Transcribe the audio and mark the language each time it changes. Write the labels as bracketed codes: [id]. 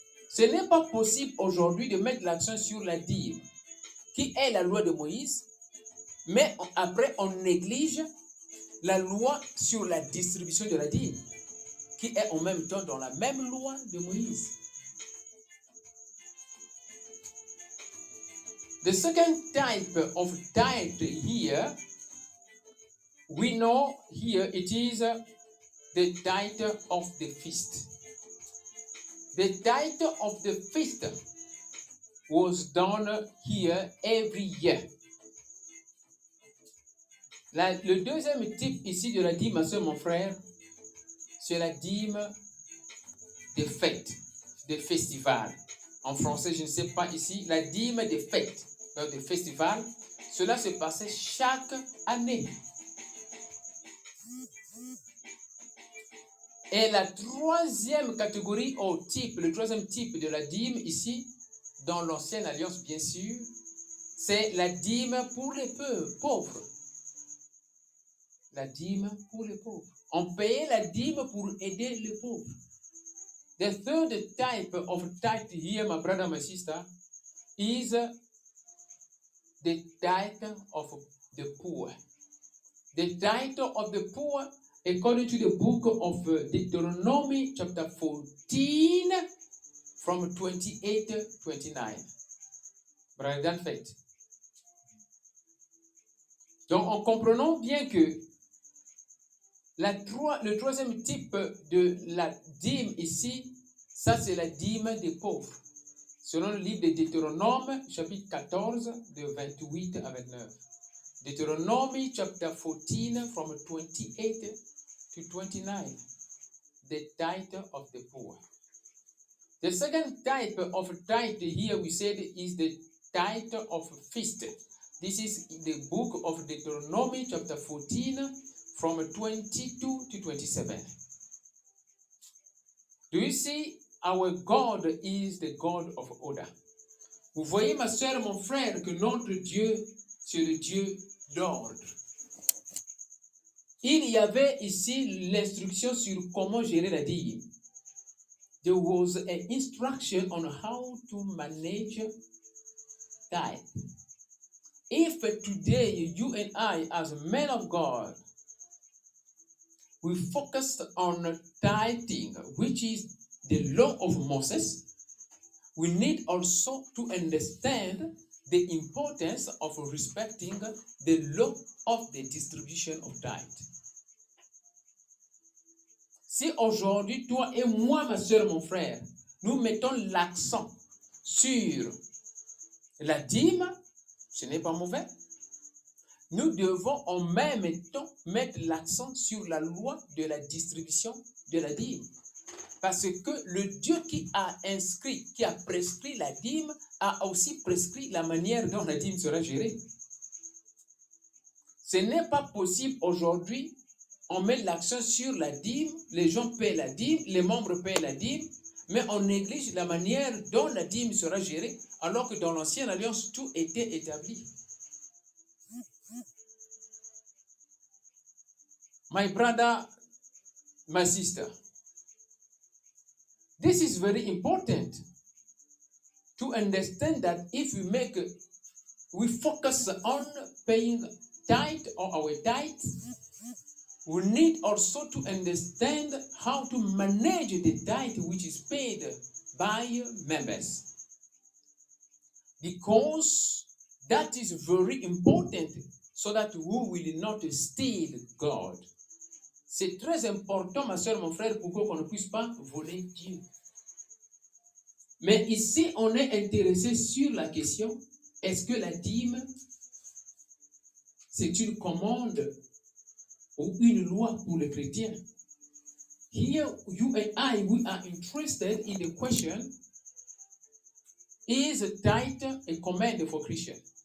[fr] Ce n'est pas possible aujourd'hui de mettre l'accent sur la dîme, qui est la loi de Moïse, mais après on néglige la loi sur la distribution de la dîme, qui est en même temps dans la même loi de Moïse. [en] The second type of tithe here, we know here it is the tithe of the feast. The tithe of the feast was done here every year. [fr] Le deuxième type ici de la dîme, mon frère, c'est la dîme des fêtes, des festivals. En français, je ne sais pas ici, la dîme des fêtes. Dans des festivals, cela se passait chaque année. Et la troisième catégorie au type, le troisième type de la dîme ici, dans l'ancienne alliance bien sûr, c'est la dîme pour les pauvres. La dîme pour les pauvres. On payait la dîme pour aider les pauvres. [en] The third type of tithe here, my brother, my sister, is the tithe of the poor. The tithe of the poor, according to the book of Deuteronomy, chapter 14, from 28 to 29. Brother Faith. [fr] Donc, en comprenant bien que le troisième type de la dîme ici, ça c'est la dîme des pauvres. Selon le livre de Deutéronome, chapitre 14, de 28 à 29. Deutéronome, chapitre 14, [en] from 28 to 29. the tithe of the poor. The second type of tithe here we said is the tithe of feast. This is in the book of Deuteronomy chapter 14 from 22 to 27. Do you see our God is the God of order? [fr] Vous voyez, ma soeur, mon frère, que notre Dieu, c'est le Dieu d'ordre. Il y avait ici l'instruction sur comment gérer la dîme. [en] There was an instruction on how to manage tithe. If today you and I, as men of God, we focused on tithing, which is the law of Moses, we need also to understand the importance of respecting the law of the distribution of tithe. [fr] Si aujourd'hui, toi et moi, ma soeur, mon frère, nous mettons l'accent sur la dîme, ce n'est pas mauvais. Nous devons en même temps mettre l'accent sur la loi de la distribution de la dîme. Parce que le Dieu qui a inscrit, qui a prescrit la dîme, a aussi prescrit la manière dont la dîme sera gérée. Ce n'est pas possible aujourd'hui. On met l'accent sur la dîme, les gens paient la dîme, les membres paient la dîme, mais on néglige la manière dont la dîme sera gérée, alors que dans l'ancienne alliance, tout était établi. [en] My brother, my sister, this is very important to understand that if we make, we focus on paying tithe or our tithe, we need also to understand how to manage the tithe which is paid by members. Because that is very important so that we will not steal God. [fr] C'est très important, ma soeur, mon frère, pour qu'on ne puisse pas voler Dieu. Mais ici, on est intéressé sur la question, est-ce que la dîme, c'est une commande ou une loi pour les chrétiens? [en] Here, you and I, we are interested in the question, is a tithe a command for Christians?